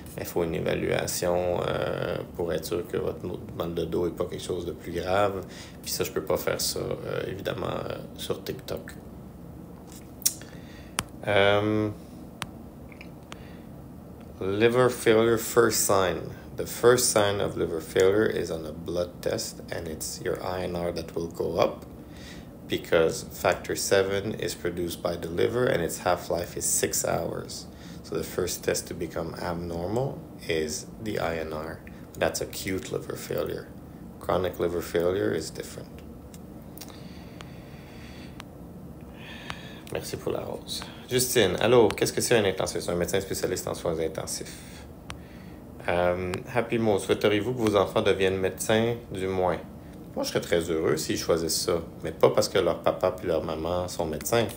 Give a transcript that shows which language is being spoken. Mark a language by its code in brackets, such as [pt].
[fr] Il faut une évaluation pour être sûr que votre mal de dos n'est pas quelque chose de plus grave. Puis ça, je peux pas faire ça, évidemment, sur TikTok. [en] Liver failure first sign. The first sign of liver failure is on a blood test, and it's your INR that will go up because factor 7 is produced by the liver and its half-life is 6 hours. So the first test to become abnormal is the INR. That's acute liver failure. Chronic liver failure is different. [fr] Merci pour la rose. Justine, allô, qu'est-ce que c'est un intensiviste? Un médecin spécialiste en soins intensifs. Happy Mo, souhaiteriez-vous que vos enfants deviennent médecins, du moins? Moi, je serais très heureux s'ils choisissent ça. Mais pas parce que leur papa puis leur maman sont médecins.